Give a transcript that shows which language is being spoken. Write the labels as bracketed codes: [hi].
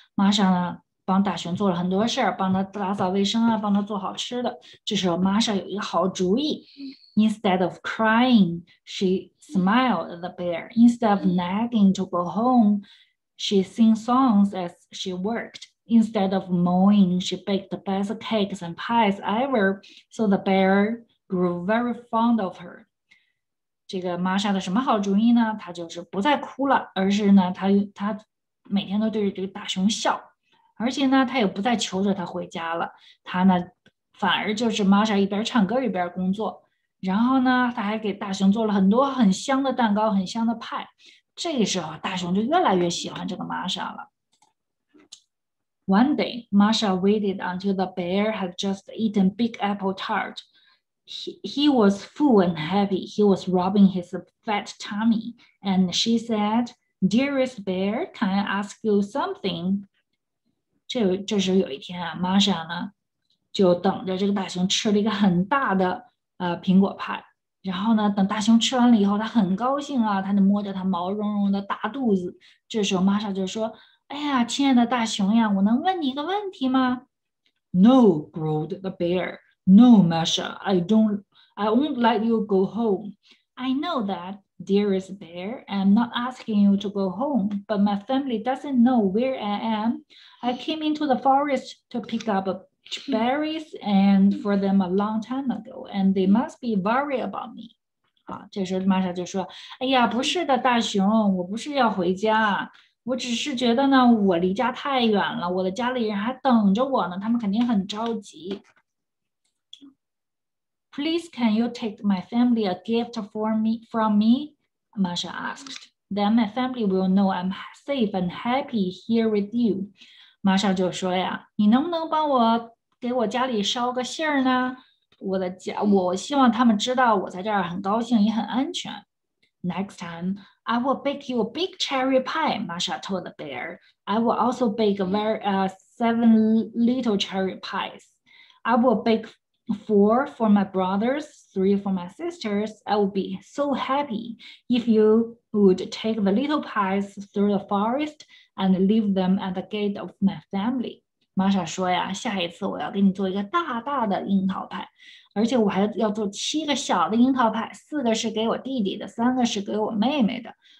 [zh] Masha 呢，帮大熊做了很多事儿，帮他打扫卫生啊，帮他做好吃的。这时候，Masha 有一个好主意。 [en] Instead of crying, she smiled at the bear. Instead of nagging to go home, she sing songs as she worked. Instead of mowing, she baked the best cakes and pies ever. So the bear grew very fond of her. [zh] 这个玛莎的什么好主意呢？她就是不再哭了，而是呢，她每天都对着这个大熊笑，而且呢，她也不再求着他回家了。她呢，反而就是玛莎一边唱歌一边工作，然后呢，她还给大熊做了很多很香的蛋糕、很香的派。这个时候，大熊就越来越喜欢这个玛莎了。 [en] One day, Masha waited until the bear had just eaten big apple tart. He was full and heavy. He was rubbing his fat tummy. And she said, "Dearest bear, can I ask you something?" [zh] 这时有一天啊，玛莎呢就等着这个大熊吃了一个很大的苹果派。然后呢，等大熊吃完了以后，他很高兴啊，他就摸着他毛茸茸的大肚子。这时候玛莎就说："哎呀，亲爱的大熊呀，我能问你一个问题吗？" [en] "No," growled the bear. "No, Masha, I won't let you go home. I know that, dearest bear, I'm not asking you to go home, but my family doesn't know where I am. I came into the forest to pick up berries and for them a long time ago, and they must be worried about me." [zh] 啊，这时候玛莎就说："哎呀，不是的，大熊，我不是要回家。" 我只是觉得呢，我离家太远了，我的家里人还等着我呢，他们肯定很着急。 [en] Please, can you take my family a gift from me? Masha asked. Then my family will know I'm safe and happy here with you. [zh] 玛莎就说呀："你能不能帮我给我家里捎个信儿呢？我希望他们知道我在这儿很高兴，也很安全。 [en] Next time, I will bake you a big cherry pie," Masha told the bear. "I will also bake seven little cherry pies. I will bake four for my brothers, three for my sisters. I will be so happy if you would take the little pies through the forest and leave them at the gate of my family." [zh] 玛莎说呀，下一次我要给你做一个大大的樱桃派，而且我还要做七个小的樱桃派，四个是给我弟弟的，三个是给我妹妹的。